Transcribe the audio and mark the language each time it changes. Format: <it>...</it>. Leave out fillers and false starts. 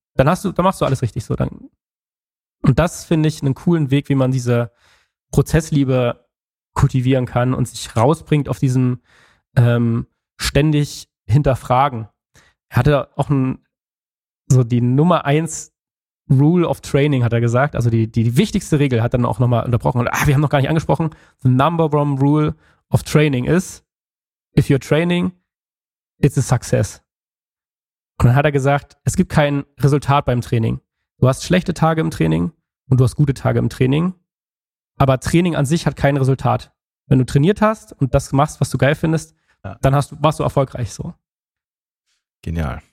<de>Dann machst du alles richtig so. Und das finde ich einen coolen Weg, wie man diese Prozessliebe kultivieren kann und sich rausbringt auf diesem ständig hinterfragen. Er hatte auch so die Nummer 1</de> <en>Rule of Training,</en> <de>hat er gesagt. Also die wichtigste Regel hat er dann auch nochmal unterbrochen. Und wir haben noch gar nicht angesprochen.</de> <en>The number one rule of training is, if you're training, it's a success.</en> <de>Und dann hat er gesagt, es gibt kein Resultat beim Training. Du hast schlechte Tage im Training und du hast gute Tage im Training. Aber Training an sich hat kein Resultat. Wenn du trainiert hast und das machst, was du geil findest, dann warst du erfolgreich so. Genial.</de>